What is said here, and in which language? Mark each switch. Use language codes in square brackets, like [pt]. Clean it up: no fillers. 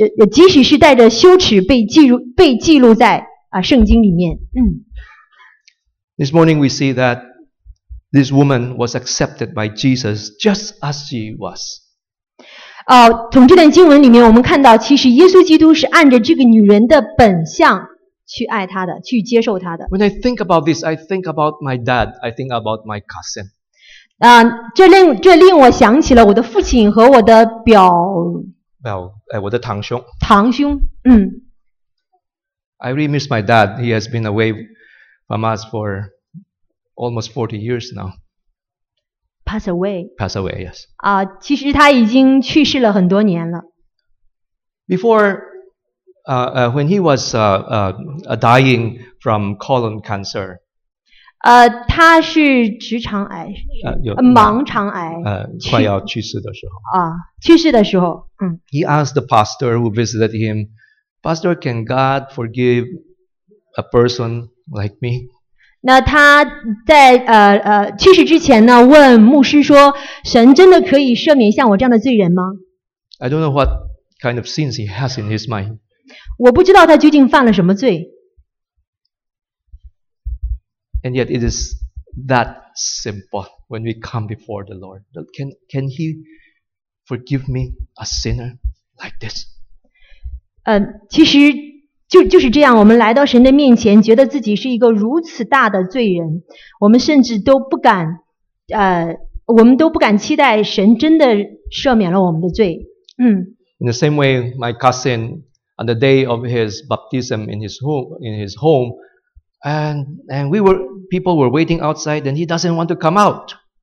[zh] 即使是带着羞耻被记录在圣经里面。 [en] This morning we see that This woman was accepted by Jesus just as she was. [zh] 从这段经文里面我们看到其实耶稣基督是按着这个女人的本相去爱她的去接受她的。 [en] When I think about this, I think about my dad, I think about my cousin. [zh] 这令我想起了我的父亲和我的表。我的堂兄。堂兄。 [en] I really miss my dad. He has been away from us for almost 40 years now. Pass away, yes. [zh] 其实他已经去世了很多年了。 [en] When he was dying from colon cancer. [zh] 他是直肠癌。盲肠癌。快要去世的时候。去世的时候。 [en] He asked the pastor who visited him,Pastor, can God forgive a person like me? [zh] 那他在去世之前呢，问牧师说：“神真的可以赦免像我这样的罪人吗？” [en] I don't know what kind of sins he has in his mind. [zh] 我不知道他究竟犯了什么罪。 [en] And yet it is that simple when we come before the Lord. Can he forgive me a sinner like this? [zh] 其实就是这样，我们来到神的面前，觉得自己是一个如此大的罪人，我们甚至都不敢，我们都不敢期待神真的赦免了我们的罪。 [en] In the same way, my cousin, on the day of his baptism in his home, and people were waiting outside, and he doesn't want to come out.